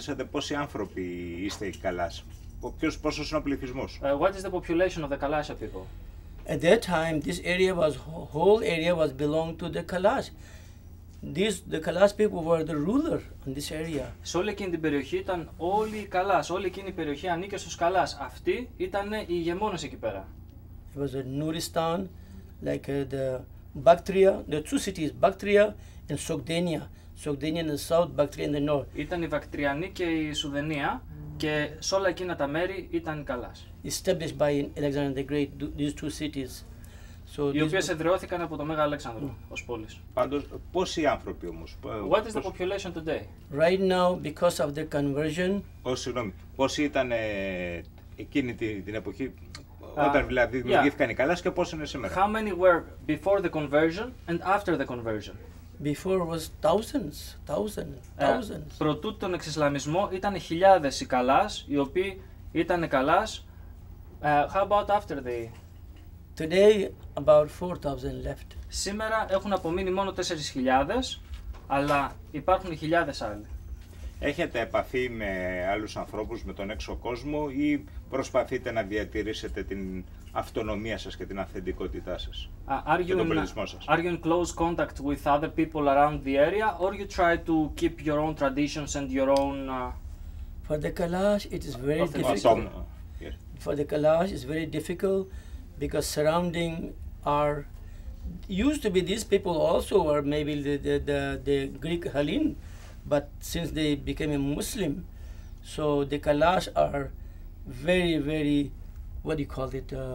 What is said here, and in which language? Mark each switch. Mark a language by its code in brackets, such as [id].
[el] Πόσοι άνθρωποι είστε οι Καλάς, πόσος είναι ο πληθυσμός? [en] What is the population of the Kalasha people? At that time, this area was, whole area was belonged to the Kalash. The Kalash people were the ruler in this area. [el] Σε όλη εκείνη την περιοχή ήταν όλοι οι Καλάς, όλη εκείνη η περιοχή ανήκε στους Καλάς. Αυτοί ήταν οι ηγεμόνες εκεί πέρα. [en] It was a Nuristan, like the Bactria, the two cities, Bactria and Sogdenia. Sogdenia in the south, Bactria in the north. [el] Ήταν η Βακτριανή και η Σουδενία και σε όλα εκείνα τα μέρη ήταν Καλάς. [en] Established by Alexander the Great, these two cities. [el] So οι οποίες εδραιώθηκαν από το Μέγα Αλέξανδρο ως πόλεις. Πάντως, πόσοι άνθρωποι όμως? [en] What is the population today? Right now, because of the conversion. [el] Συγγνώμη, πόσοι ήταν εκείνη την εποχή, όταν δηλαδή δημιουργήθηκαν οι Καλάς και πόσοι είναι σήμερα? [en] How many were before the conversion and after the conversion? Before was thousands. [el] Προτού τον εξισλαμισμό ήταν χιλιάδες οι Καλάς, οι οποίοι ήταν Καλάς. [en] How about after the... Today about 4,000 left. [el] Σήμερα έχουν απομείνει μόνο 4,000, αλλά υπάρχουν χιλιάδες άλλοι. Έχετε επαφή με άλλους ανθρώπους, με τον έξω κόσμο ή προσπαθείτε να διατηρήσετε την αυτονομία σας και την αυθεντικότητά σας και τον πολιτισμό σας? [en] Are you in close contact with other people around the area or you try to keep your own traditions and your own... For the Kalash, it is very difficult. For the Kalash, it's very difficult because surrounding are used to be these people also were maybe the Greek Hellen, but since they became a Muslim, so the Kalash are very very what do you call it